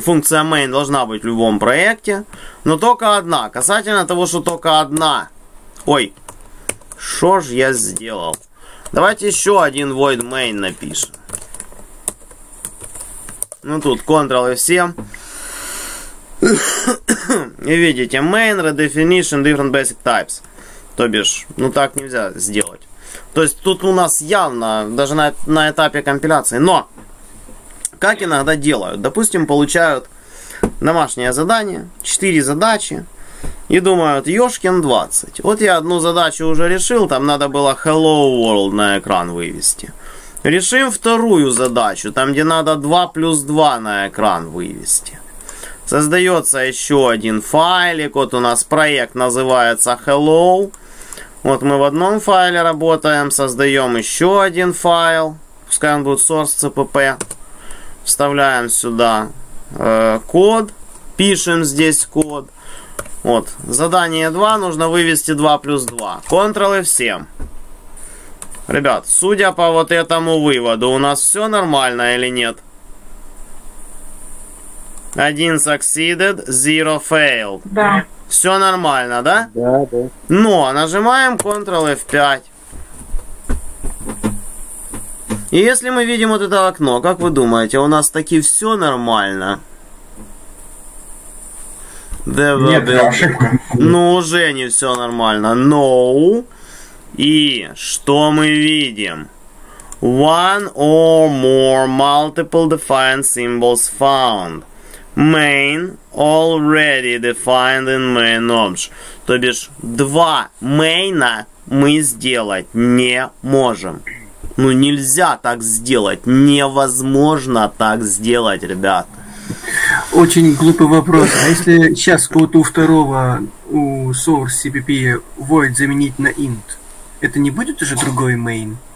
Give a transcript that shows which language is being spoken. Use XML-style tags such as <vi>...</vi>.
<ru>Функция main должна быть в любом проекте. Но только одна. Касательно того, что только одна. Ой. Что ж я сделал? Давайте еще один void main напишем. Ну тут Ctrl-F7. И видите, main, redefinition, different basic types. То бишь, ну так нельзя сделать. То есть тут у нас явно, даже на этапе компиляции. Но, как иногда делают. Допустим, получают домашнее задание, 4 задачи. И думают, ёшкин 20. Вот я одну задачу уже решил, там надо было Hello World на экран вывести. Решим вторую задачу, там где надо 2 плюс 2 на экран вывести. Создается еще один файлик, вот у нас проект называется Hello. Вот мы в одном файле работаем, создаем еще один файл. Пускай он будет source.cpp. Вставляем сюда код, пишем здесь код. Вот, задание 2, нужно вывести 2 плюс 2. Ctrl-F7. Ребят, судя по вот этому выводу, у нас все нормально или нет? Один</ru> <en>succeeded, zero failed.</en> <ru>Да. Все нормально, да? Да, да. Но, нажимаем Ctrl-F5. И если мы видим вот это окно, как вы думаете, у нас таки все нормально? Ну, уже не все нормально.</ru> <en>No.</en> <ru>И что мы видим?</ru> <en>One or more multiple defined symbols found. Main already defined in main obj.</en> <ru>То бишь, два мейна мы сделать не можем. Ну, нельзя так сделать. Невозможно так сделать, ребят. Очень глупый вопрос. А если сейчас код у второго, у source cpp void заменить на int, это не будет уже другой main?</ru>